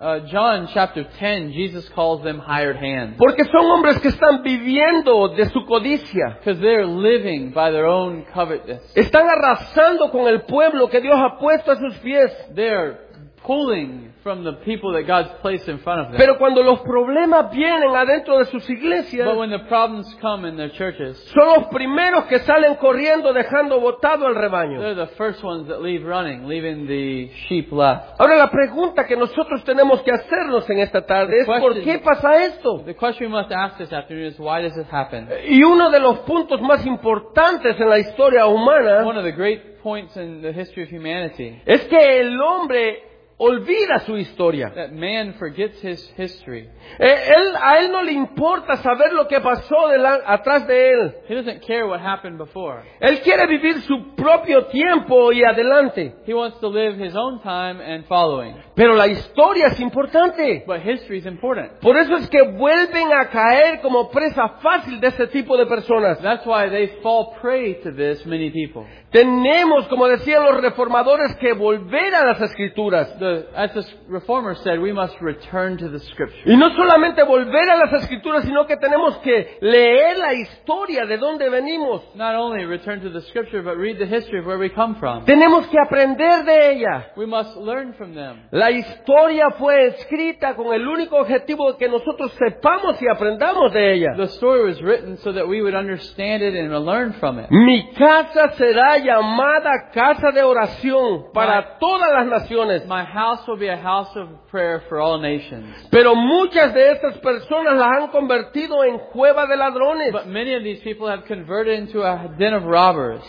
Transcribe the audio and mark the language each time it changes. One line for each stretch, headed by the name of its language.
English: John chapter 10, Jesus calls them hired hands.
Spanish: Porque son hombres que están viviendo de su codicia.
English: Because they're living by their own covetousness.
Spanish: Están arrasando con el pueblo que Dios ha puesto a sus pies.
English: They're pulling from the people that God's placed in front of them.
Spanish: Pero cuando los problemas vienen adentro de sus iglesias,
English: but when the problems come in their churches,
Spanish: son los primeros que salen corriendo dejando botado al rebaño.
English: They're the first ones that leave running, leaving the sheep left.
Spanish: Ahora la pregunta que nosotros tenemos que hacernos en esta tarde es, ¿por qué pasa esto?
English: The question we must ask this afternoon is, why does this happen?
Spanish: Y uno de los puntos más importantes en la historia humana,
English: one of the great points in the history of humanity,
Spanish: es que el hombre olvida su historia.
English: That man forgets his history.
Spanish: A él no le importa saber lo que pasó atrás de él.
English: He doesn't care what happened before.
Spanish: Él quiere vivir su propio tiempo y adelante.
English: He wants to live his own time and following.
Spanish: Pero la historia es importante.
English: But history is important.
Spanish: Por eso es que vuelven a caer como presa fácil de ese tipo de personas.
English: That's why they fall prey to this many people.
Spanish: Tenemos, como decían los reformadores, que volver a las Escrituras.
English: As the reformer said, we must return to the Scriptures.
Spanish: Y no solamente volver a las Escrituras, sino que tenemos que leer la historia de dónde venimos.
English: Not only return to the Scripture, but read the history of where we come from.
Spanish: Tenemos que aprender de ella.
English: We must learn from them.
Spanish: La historia fue escrita con el único objetivo de que nosotros sepamos y aprendamos de ella.
English: The story was written so that we would understand it and learn from it.
Spanish: Mi casa será llamada casa de oración para todas las naciones.
English: My house will be a house of prayer for all nations.
Spanish: Pero muchas de estas personas las han convertido en cueva de ladrones.
English: But many of these people have converted into a den of robbers.